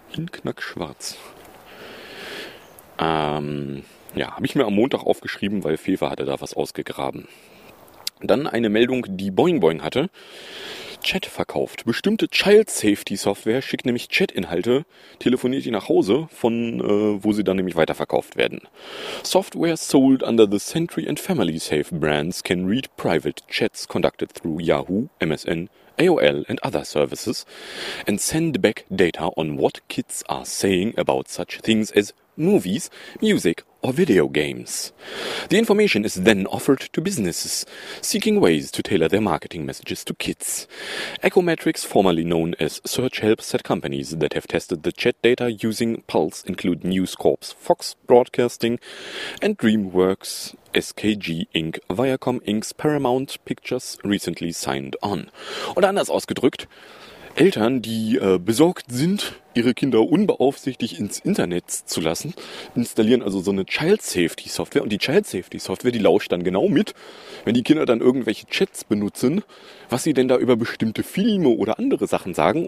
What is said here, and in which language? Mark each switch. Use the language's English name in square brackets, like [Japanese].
[German] In knackschwarz. Habe ich mir am Montag aufgeschrieben, weil Fefe hatte da was ausgegraben. Dann eine Meldung, die Boing Boing hatte. Chat verkauft. Bestimmte Child Safety Software schickt nämlich Chat-Inhalte, telefoniert die nach Hause, von wo sie dann nämlich weiterverkauft werden. [English] Software sold under the Sentry and Family Safe brands can read private chats conducted through Yahoo, MSN, AOL and other services and send back data on what kids are saying about such things as movies, music or video games. The information is then offered to businesses seeking ways to tailor their marketing messages to kids. Echometrics, formerly known as SearchHelp, said companies that have tested the chat data using Pulse include News Corp's Fox Broadcasting and DreamWorks SKG Inc. Viacom Inc.'s Paramount Pictures recently signed on. [German] Oder anders ausgedrückt, Eltern, die besorgt sind, ihre Kinder unbeaufsichtigt ins Internet zu lassen, installieren also so eine Child-Safety-Software. Und die Child-Safety-Software, die lauscht dann genau mit, wenn die Kinder dann irgendwelche Chats benutzen, was sie denn da über bestimmte Filme oder andere Sachen sagen.